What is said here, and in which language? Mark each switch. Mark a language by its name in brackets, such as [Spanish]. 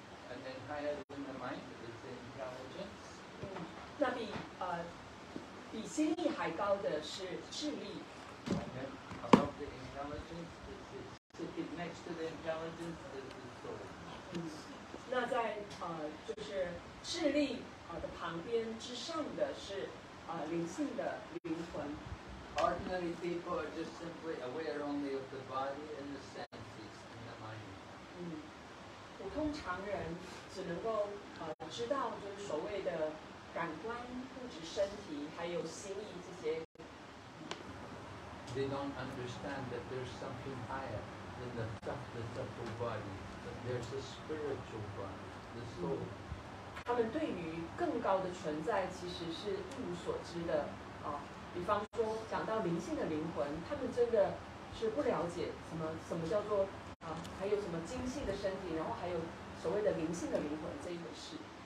[English] And then higher than the mind is the intelligence. [Chinese] 那比心意还高的是智力。 [English] And then above the intelligence is sitting next to the intelligence is the soul. [Chinese] 那在就是智力的旁边之上的是灵性的灵魂。 [English] Ordinary people are just simply aware only of the body and the senses and the mind. [Chinese] 普通常人只能够知道就是所谓的感官、物质身体还有心意这些。 [English] They don't understand that there's something higher than the physical body, that there's a spiritual body, the soul. [Chinese] 他们对于更高的存在其实是一无所知的比方说讲到灵性的灵魂，他们真的是不了解什么叫做还有什么精细的身体，然后还有所谓的灵性的灵魂这一回事。